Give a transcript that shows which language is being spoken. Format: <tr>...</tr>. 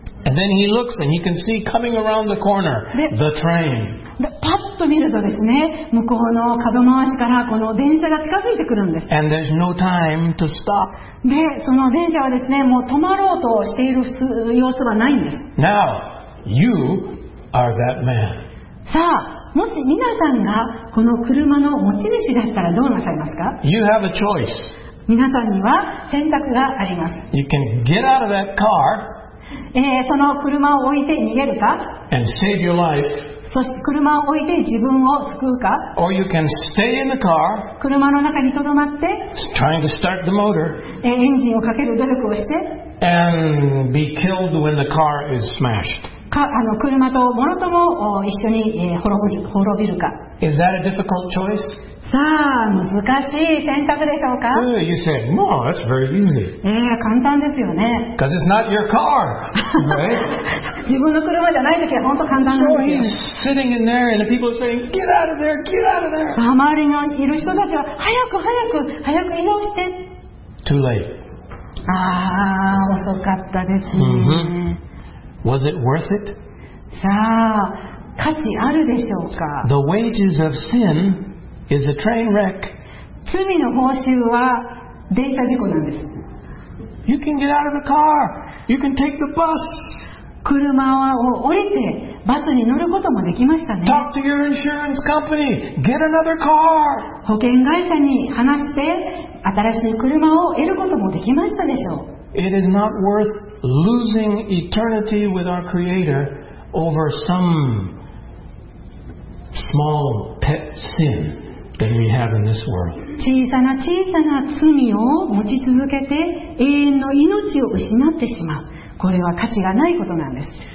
<en>And then he looks and he can see coming around the corner, the train.</en> <ja>パッと見るとですね、向こうの角回しからこの電車が近づいてくるんです。</ja> <en>And there's no time to stop.</en> <ja>で、その電車はですね、もう止まろうとしている様子はないんです。</ja> <en>Now, you are that man.</en> <ja>さあ、もし皆さんがこの車の持ち主でしたらどうなさいますか?</ja> <en>You have a choice.</en> <ja>皆さんには選択があります。</ja> <en>You can get out of that car.</en> <ja>その車を置いて逃げるか</ja> <en>And save your life.</en> <ja>そして車を置いて自分を救うか</ja> <en>Or you can stay in the car.</en> <ja>車の中に留まって</ja> <en>Trying to start the motor.</en> <ja>エンジンをかける努力をして</ja> <en>And be killed when the car is smashed.</en> <ja>か車とものとも一緒に滅びるか</ja> <en>Is that a difficult choice?</en> <ja>さあ難しい選択でしょうか</ja> <en>you say, no, that's very easy.</en> <ja>簡単ですよね</ja> <en>Because it's not your car,、right?</en> <ja>自分の車じゃないときは本当簡単なんですよ、</ja> <en>so、he's sitting in there and the people are saying get out of there, get out of there</en> <ja>周りにいる人たちは早く早く早く移動して</ja> <en>Too late</en> <ja>ああ遅かったですね、</ja> <en>mm-hmm. Was it worth it?</en> <ja>さあ価値あるでしょうか</ja> <en>The wages of sinIs a train wreck.</en> <ja>罪の報酬は電車事故なんです。</ja> <en>You can get out of the car. You can take the bus.</en> <ja>車を降りてバスに乗ることもできましたね。</ja> <en>Talk to your insurance company. Get another car.</en> <ja>保険会社に話して新しい車を得ることもできましたでしょう。</ja> <en>It is not worth losing eternity with our Creator over some small pet sin. That we have in this world.</en> <ja>小さな小さな罪を持ち続けて永遠の命を失ってしまう。これは価値がないことなんです。</ja>